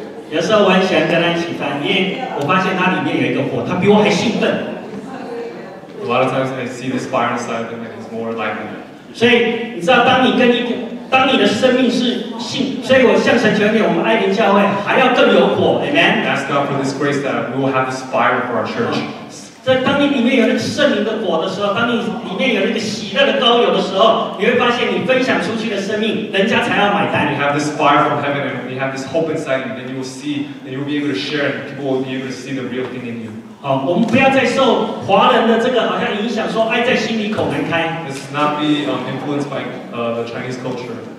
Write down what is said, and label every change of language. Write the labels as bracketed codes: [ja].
[zh] 有时候我很喜欢跟他一起翻，因为我发现他里面有一个火，他比我还兴奋。 [en] A lot of times I see this fire inside him and he's more lively. [zh] 所以你知道，当你跟一，当你的生命是信，所以我向神求，我们爱灵教会还要更有火 ，Amen. [en] Ask God for this grace that we will have this fire for our church. [zh] 在当你里面有了圣灵的火的时候，当你里面有了一个喜乐的膏油的时候，你会发现你分享出去的生命，人家才要买单。 [en] You have this fire from heaven and you have this hope inside you, then you will see, then you will be able to share, and people will be able to see the real thing in you. [zh] 好，我们不要再受华人的这个好像影响，说爱在心里口难开。 [en] Let's not be influenced by the Chinese culture.